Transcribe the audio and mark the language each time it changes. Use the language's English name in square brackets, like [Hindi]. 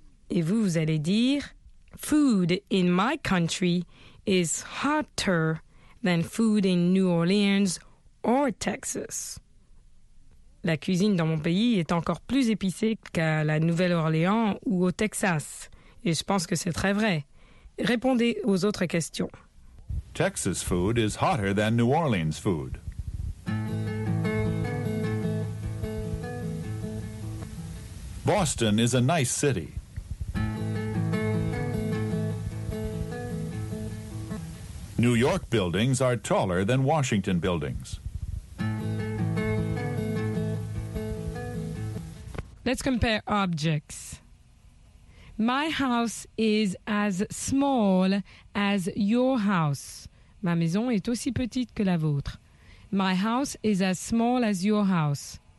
[French] Et vous, vous allez dire, [English] food in my country is hotter than food in New Orleans or Texas. [French] La cuisine dans mon pays est encore plus épicée qu'à la Nouvelle-Orléans ou au Texas. Et je pense que c'est très vrai. Répondez aux autres questions. [English] Texas food is hotter than New Orleans food. Boston is a nice city. New York buildings are taller than Washington buildings. Let's compare objects. My house is as small as your house. [French] Ma maison est aussi petite que la vôtre. [English] My house is as small as your house.